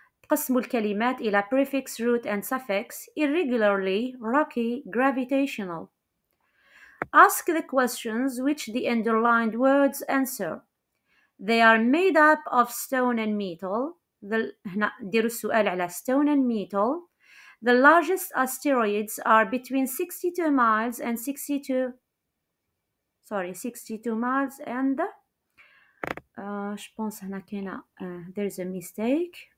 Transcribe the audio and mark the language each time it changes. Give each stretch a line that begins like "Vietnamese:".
Arabic: قسموا الكلمات إلى
English: prefix, root and suffix, irregularly, rocky, gravitational. Ask the questions which the underlined words answer. They are made up of stone and metal.
Arabic: هنا ديروا السؤال على
English: stone and metal. The largest asteroids are between 62 miles and 62 miles and the
Arabic: شبونس هنا كينا
English: there is a mistake.